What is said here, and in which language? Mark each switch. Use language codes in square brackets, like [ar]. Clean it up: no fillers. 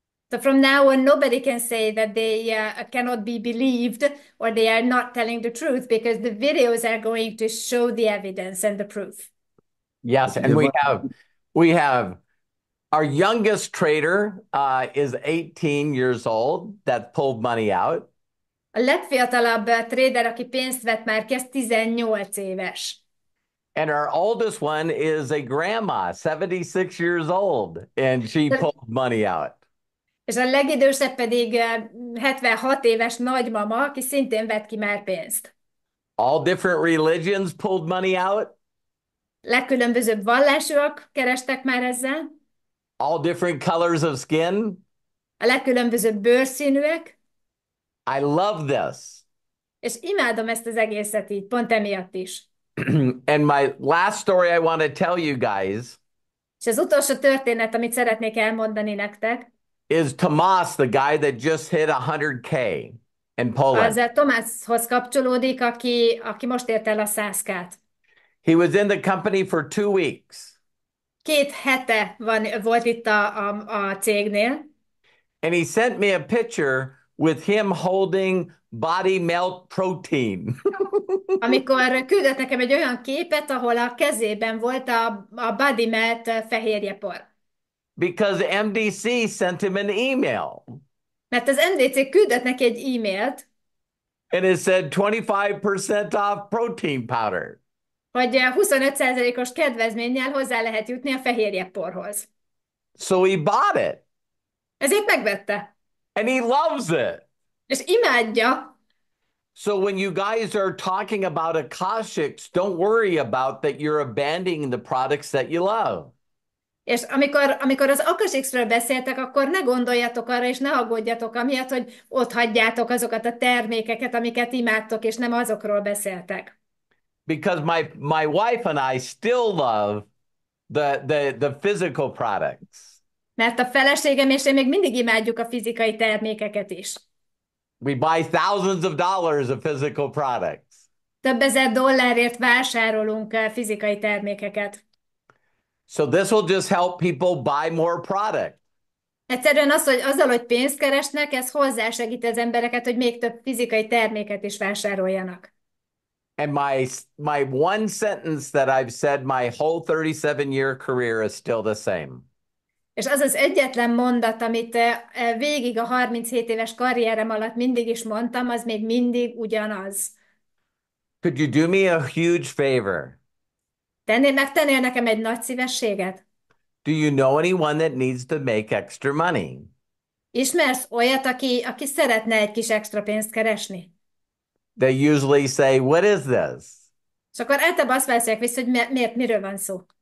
[en] So from now on, nobody can say that they cannot be believed or they are not telling the truth because the videos are going to show the evidence and the proof. Yes, and we have our youngest trader is 18 years old that pulled money out. [hu] A legfiatalabb tréder, aki pénzt vett már, kezd 18 éves. [en] And our oldest one is a grandma, 76 years old, and she pulled money out. [hu] És a legidősebb pedig 76 éves nagymama, aki szintén vett ki már pénzt. [en] All different religions pulled money out. [hu] Legkülönbözőbb vallásúak kerestek már ezzel. [en] All different colors of skin. [hu] A legkülönbözőbb bőrszínűek. [en] I love this. [hu] És imádom ezt az egészet így, pont emiatt is. [en] And my last story I want to tell you guys [hu] És az utolsó történet, amit szeretnék elmondani nektek, [en] is Tomasz, the guy that just hit 100K in [hu] az [en] Poland. [hu] Tomászhoz kapcsolódik, aki most ért el a 100K-t. [en] He was in the company for 2 weeks. [hu] 2 hete volt itt a cégnél. [en] And he sent me a picture with him holding body melt protein. [hu] Amikor küldött nekem egy olyan képet, ahol a kezében volt a body melt fehérjepor. [en] Because MDC sent him an email. [hu] Mert az MDC küldött neki egy e-mailt, [en] And it said 25% off protein powder. [hu] hogy 25%-os kedvezménnyel hozzá lehet jutni a fehérjeporhoz. [en] So he bought it. [hu] Ezért megvette. [en] And he loves it. [hu] És imádja. [en] So when you guys are talking about Akashics, don't worry about that you're abandoning the products that you love. [hu] És amikor az Akashx-ről beszéltek, akkor ne gondoljatok arra, és ne aggódjatok amiatt, hogy ott hagyjátok azokat a termékeket, amiket imádtok, és nem azokról beszéltek. [en] Because my wife and I still love the physical products. [hu] Mert a feleségem és én még mindig imádjuk a fizikai termékeket is. [en] We buy thousands of dollars of physical products. [hu] Több ezer dollárért vásárolunk fizikai termékeket. [en] So this will just help people buy more product. [hu] Egyszerűen az, hogy azzal, hogy pénzt keresnek, ez hozzásegíti az embereket, hogy még több fizikai terméket is vásároljanak. [en] And my one sentence that I've said my whole 37-year career is still the same. [hu] És az az egyetlen mondat, amit végig a 37 éves karrierem alatt mindig is mondtam, az még mindig ugyanaz. [en] Could you do me a huge favor? [hu] Megtennél nekem egy nagy szívességet? [en] Do you know anyone that needs to make extra money? [hu] Ismersz olyat, aki szeretne egy kis extra pénzt keresni? [en] They usually say, "What is this?" [hu] És akkor általában azt válaszolják vissza, hogy miért, miről van szó.